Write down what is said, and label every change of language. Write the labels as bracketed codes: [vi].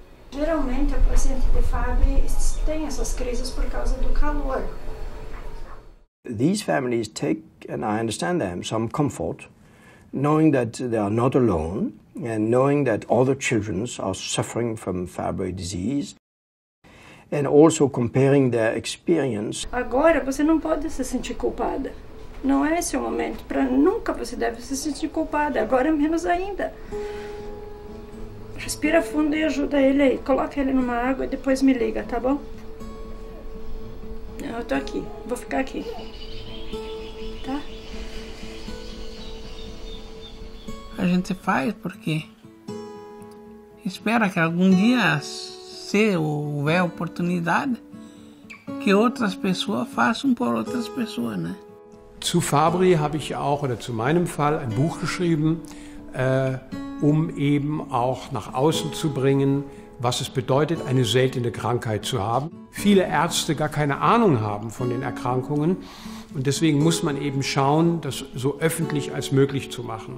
[pt] Geralmente, o paciente de Fabry tem essas crises por causa do calor. [en] These families take, and I understand them, some comfort, knowing that they are not alone and knowing that other children are suffering from Fabry disease, and also comparing their experience. [pt] Agora você não pode se sentir culpada. Não é esse o momento. Para nunca você deve se sentir culpada. Agora menos ainda. Respira fundo e ajuda ele aí. Coloca ele numa água e depois me liga, tá bom? Eu tô aqui. Vou ficar aqui. Tá? A gente faz porque espera que algum dia, se houver oportunidade, que outras pessoas façam por outras pessoas, né? [de] Zu Fabry habe ich auch, oder zu meinem Fall, ein Buch geschrieben, um eben auch nach außen zu bringen, was es bedeutet, eine seltene Krankheit zu haben. Viele Ärzte gar keine Ahnung haben von den Erkrankungen. Und deswegen muss man eben schauen, das so öffentlich als möglich zu machen.